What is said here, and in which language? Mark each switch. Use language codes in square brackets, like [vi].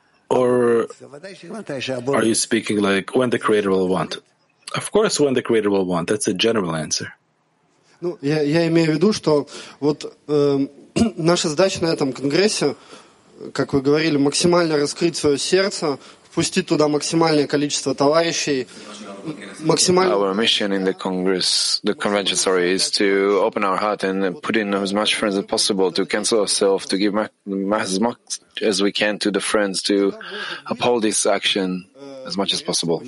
[en] Or are you speaking like when the Creator will want? Of course, when the Creator will want. That's a general answer. [ru] Ну, я имею в виду, что вот наша задача на этом конгрессе как вы говорили, максимально раскрыть свое сердце, впустить туда максимальное количество товарищей. [en] Our mission in the Congress, the convention, sorry, is to open our heart and put in as much friends as possible, to cancel ourselves, to give as much as we can to the friends, to uphold this action as much as possible.